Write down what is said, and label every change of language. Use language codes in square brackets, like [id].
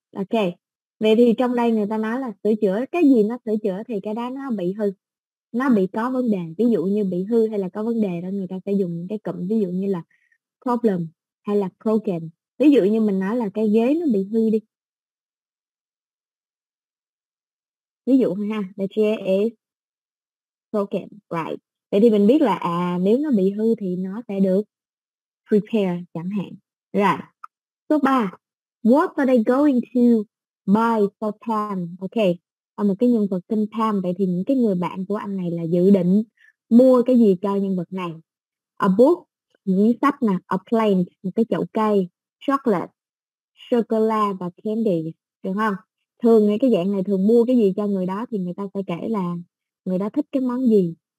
[vi] Ok, vậy thì trong đây người ta nói là sửa chữa. Cái gì nó sửa chữa thì cái đó nó bị hư, nó bị có vấn đề. Ví dụ như bị hư hay là có vấn đề đó, người ta sẽ dùng cái cụm ví dụ như là problem hay là broken. Ví dụ như mình nói là cái ghế nó bị hư đi. Ví dụ ha, [en] the chair is broken, right? [vi] Vậy thì mình biết là nếu nó bị hư thì nó sẽ được prepare chẳng hạn. [en] Right. [vi] Số 3. [en] What are they going to buy for Pam? [vi] Ok. Một cái nhân vật tên Pam. Vậy thì những cái người bạn của anh này là dự định mua cái gì cho nhân vật này? [en] A book. [vi] Những sách nè. [en] A plant. [vi] Một cái chậu cây. Chocolate. Chocolate và candy. Được không? Thường cái dạng này thường mua cái gì cho người đó thì người ta sẽ kể là người đó thích cái món gì.